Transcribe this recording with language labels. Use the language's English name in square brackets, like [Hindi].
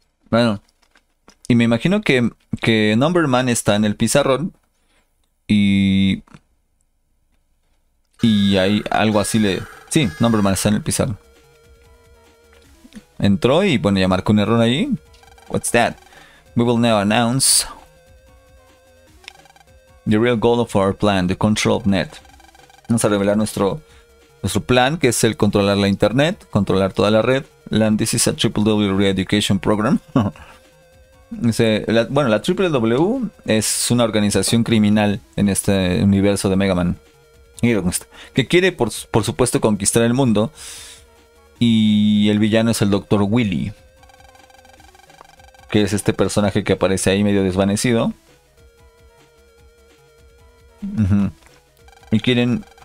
[Spanish] Bueno, y me imagino que Numberman está en el pizarrón y hay algo así le... Sí, Numberman está en el pizarrón. Entró y bueno, ya marcó un error ahí. [English] What's that? We will now announce the real goal of our plan, the control of net. [Spanish] Vamos a revelar nuestro plan, que es el controlar la internet, controlar toda la red. [English] Land, this is a triple W re-education program. [Spanish] Bueno, la WWW es una organización criminal en este universo de Mega Man. Que quiere, por supuesto, conquistar el mundo. Y el villano es el Dr. Willy. Que es este personaje que aparece ahí medio desvanecido. Y quieren.